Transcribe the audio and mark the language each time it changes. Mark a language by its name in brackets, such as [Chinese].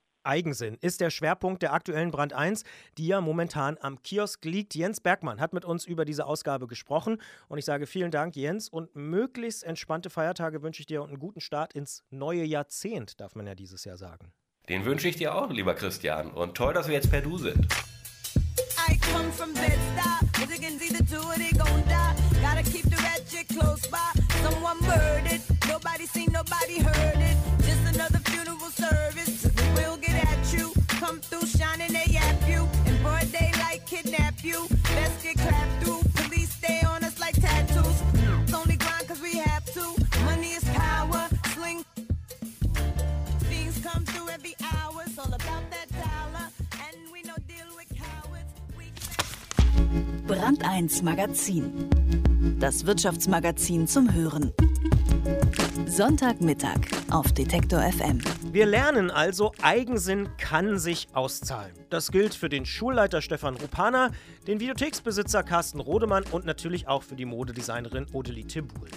[German] Eigensinn ist der Schwerpunkt der aktuellen Brand 1, die ja momentan am Kiosk liegt. Jens Bergmann hat mit uns über diese Ausgabe gesprochen und ich sage vielen Dank, Jens, und möglichst entspannte Feiertage wünsche ich dir und einen guten Start ins neue Jahrzehnt, darf man ja dieses Jahr sagen. Den wünsche ich dir auch, lieber Christian, und toll, dass wir jetzt per Du sind. [English] I come from Bed-Stuy. As you can see, the two of they gon' die. Gotta keep the ratchet close by. Someone murdered. Nobody seen, nobody heard it. Just another funeral service. We'll get at you. Come through shining, they yap you. In broad daylight, kidnap you. Best get clapped through. Police stay on us like tattoos. It's only grind cause we have to. Money is power. Sling. Things come through every hour. It's all about that dollar. And we no deal with cowards. We [German] Brand 1 Magazin. Das Wirtschaftsmagazin zum Hören. Sonntagmittag auf Detektor FM. Wir lernen also, Eigensinn kann sich auszahlen. Das gilt für den Schulleiter Stefan Rupana, den Videotheksbesitzer Carsten Rodemann und natürlich auch für die Modedesignerin Odelie Tibbul.